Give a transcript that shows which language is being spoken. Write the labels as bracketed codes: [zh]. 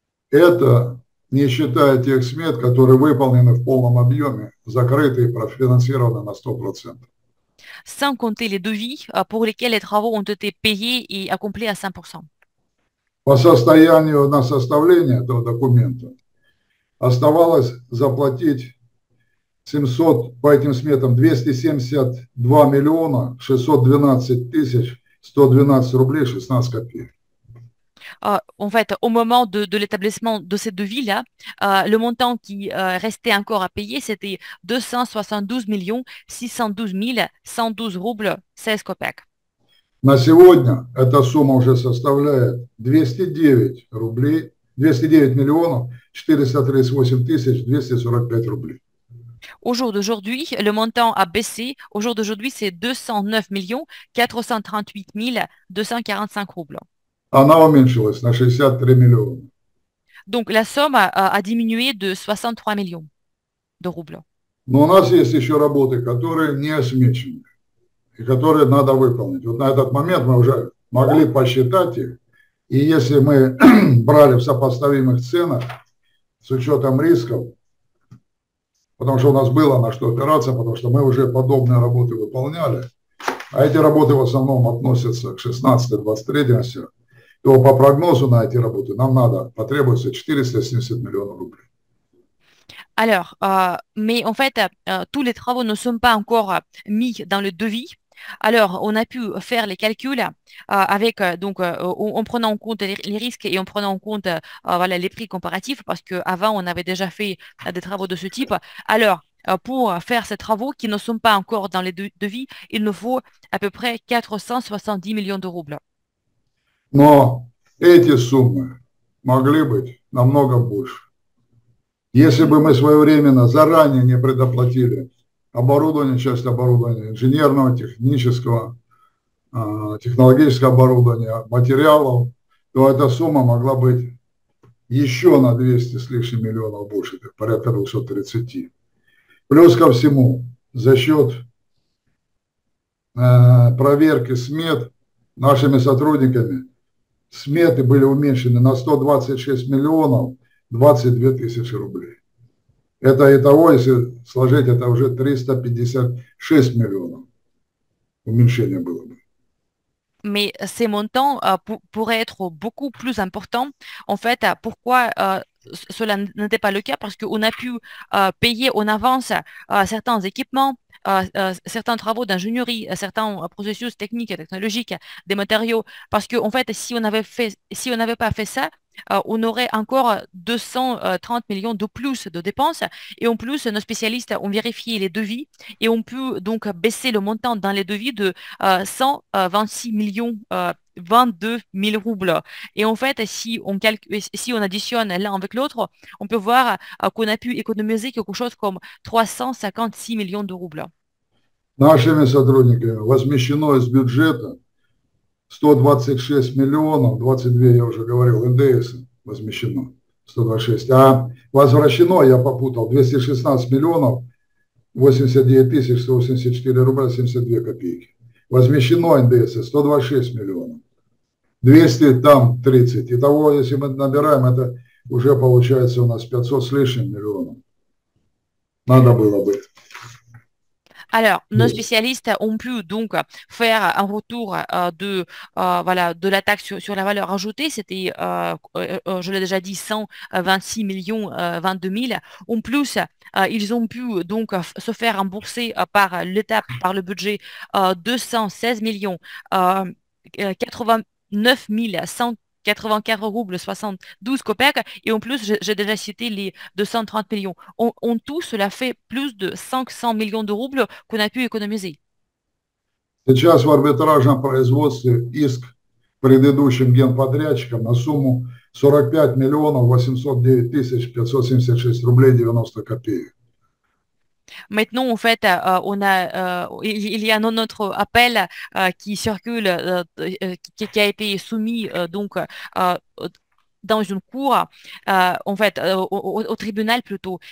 [ru] Это не считая тех смет, которые выполнены в полном объеме, закрыты и профинансированы на 100%. [fr] Sans compter les devis pour lesquels les travaux ont été payés et accomplis à 100%. [ru] По состоянию на составление этого документа оставалось заплатить 700, по этим сметам 272 миллиона 612 тысяч 112 рублей 16 копеек. [fr] En fait, au moment de l'établissement de ces devis-là, le montant qui restait encore à payer, c'était 272 612 roubles 16 copecks. [ru] На сегодня эта сумма уже составляет 209 рублей, 209 миллионов 438 тысяч 245 рублей. [fr] Au jour d'aujourd'hui, le montant a baissé. Au jour d'aujourd'hui, c'est 209 438 245 roubles. [ru] Она уменьшилась на 63 миллиона. [fr] Donc la somme a diminué de 63 millions de roubles. [ru] Но у нас есть еще работы, которые не осмечены. И которые надо выполнить. Вот на этот момент мы уже могли посчитать их. И если мы брали в сопоставимых ценах с учетом рисков, потому что у нас было на что опираться, потому что мы уже подобные работы выполняли, а эти работы в основном относятся к 16-23, то по прогнозу на эти работы нам надо потребуется 470 миллионов рублей. [fr] Alors, mais en fait, tous les travaux ne sont pas encore mis dans le devis. Alors, on a pu faire les calculs avec donc en prenant en compte les risques et en prenant en compte voilà, les prix comparatifs, parce qu'avant, on avait déjà fait des travaux de ce type. Alors, pour faire ces travaux qui ne sont pas encore dans les devis, il nous faut à peu près 470 millions de roubles. [ru] Но эти суммы могли быть намного больше. Если бы мы своевременно, заранее не предоплатили оборудование, часть оборудования, инженерного, технического, технологического оборудования, материалов, то эта сумма могла быть еще на 200 с лишним миллионов больше, порядка 230. Плюс ко всему, за счет проверки смет нашими сотрудниками, сметы были уменьшены на 126 миллионов 22 тысячи рублей. Это и того, если сложить, это уже 356 миллионов уменьшение было бы. [fr] Mais ces montants pourraient être beaucoup plus importants. En fait, pourquoi cela n'était pas le cas? Parce qu'on a pu payer en avance certains équipements, certains travaux d'ingénierie, certains processus techniques et technologiques, des matériaux. Parce qu'en fait, si on n'avait pas fait ça, on aurait encore 230 millions de plus de dépenses. Et en plus, nos spécialistes ont vérifié les devis et ont pu donc baisser le montant dans les devis de 126 millions, 22 000 roubles. Et en fait, si on additionne l'un avec l'autre, on peut voir qu'on a pu économiser quelque chose comme 356 millions de roubles. [ru] Нашими сотрудниками возмещено из бюджета 126 миллионов, 22, я уже говорил, НДС возмещено, 126. А возвращено, я попутал, 216 миллионов 89 тысяч 184 рубля 72 копейки. Возмещено НДС 126 миллионов, 200 там 30. Итого, если мы набираем, это уже получается у нас 500 с лишним миллионов. Надо было бы. [fr] Alors, nos [en] Yes. [fr] spécialistes ont pu donc faire un retour voilà, de la taxe sur la valeur ajoutée. C'était, je l'ai déjà dit, 126 millions 22 000. En plus, ils ont pu donc se faire rembourser par l'État, par le budget, 216 millions 89 184 roubles 72 kopecks. Et en plus, j'ai déjà cité les 230 millions. En tout, cela fait plus de 500 millions de roubles qu'on a pu économiser. [ru] Сейчас в арбитражном производстве иск предыдущим генподрядчикам на сумму 45 миллионов 809 тысяч 576 рублей 90 копеек. [fr] Maintenant, en fait, il y a un autre appel qui circule, qui a été soumis donc dans une cour, en fait, au tribunal plutôt.